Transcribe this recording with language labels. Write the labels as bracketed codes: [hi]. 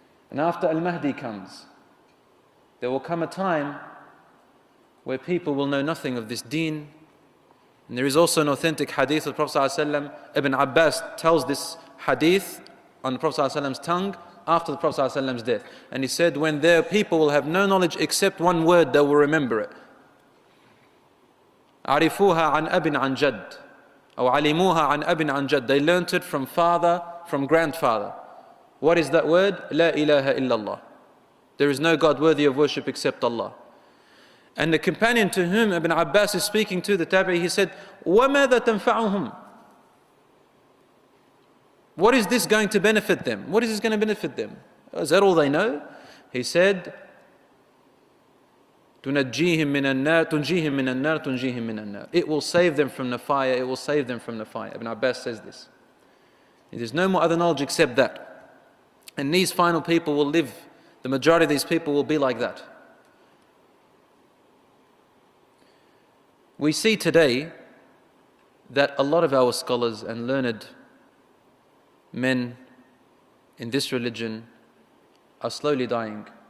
[en] And after Al-Mahdi comes, there will come a time where people will know nothing of this deen. And there is also an authentic hadith of the Prophet ﷺ. Ibn Abbas tells this hadith on the Prophet ﷺ's tongue after the Prophet ﷺ's death. And he said, when their people will have no knowledge except one word, they will remember it. [ar] عَرِفُوهَا عَنْ أَبٍ عَنْ جَدٍ أو عَلِمُوهَا عَنْ أَبٍ عَنْ جَدٍ. [en] They learnt it from father, from grandfather. What is that word? La ilaha illallah. There is no God worthy of worship except Allah. And the companion to whom Ibn Abbas is speaking to, the Tabi'i, he said, [ar] وَمَاذَا تَنْفَعُهُمْ? [en] What is this going to benefit them? What is this going to benefit them? Is that all they know? He said, [ar] تُنَجِّيهِمْ مِنَ النَّارِ. [en] It will save them from the fire, it will save them from the fire. Ibn Abbas says this. There's no more other knowledge except that. And these final people will live, the majority of these people will be like that. We see today that a lot of our scholars and learned men in this religion are slowly dying.